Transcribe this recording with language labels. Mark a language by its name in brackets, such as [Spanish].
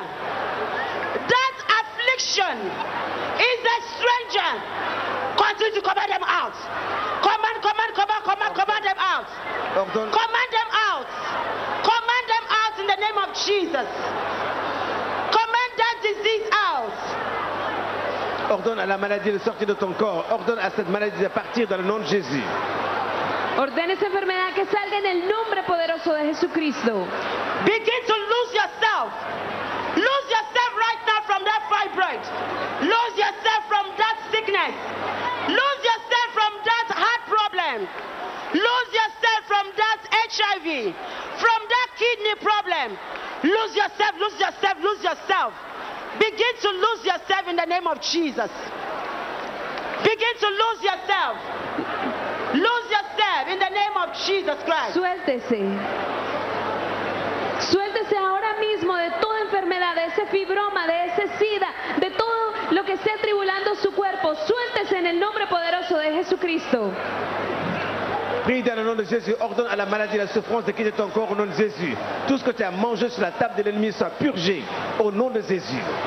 [English] That affliction is a stranger. Continue to command them out. Command, command, command, command, command them out. Command them out. Command them out in the name of Jesus. Command that disease out. [French] Ordonne à la maladie de sortir de ton corps. Ordonne à cette maladie de partir dans le nom de Jésus. Ordonne cette [Spanish] enfermedad que salga en el nombre poderoso de Jesucristo. [English] Begin to lose yourself. Lose yourself right now from that fibroid. Lose yourself from that sickness. Lose yourself from that heart problem. Lose yourself from that HIV. From that kidney problem. Lose yourself, lose yourself, lose yourself. Begin to lose yourself in the name of Jesus. Begin to lose yourself. Lose yourself in the name of Jesus Christ. [Spanish] Suéltese. Suéltese ahora mismo de toda enfermedad, de ese fibroma, de ese sida, de todo lo que esté atribulando su cuerpo. Suéltese en el nombre poderoso de Jesucristo. [French] Prie dans le nom de Jésus, ordonne à la maladie et la souffrance de quitter ton corps au nom de Jésus. Tout ce que tu as mangé sur la table de l'ennemi soit purgé au nom de Jésus.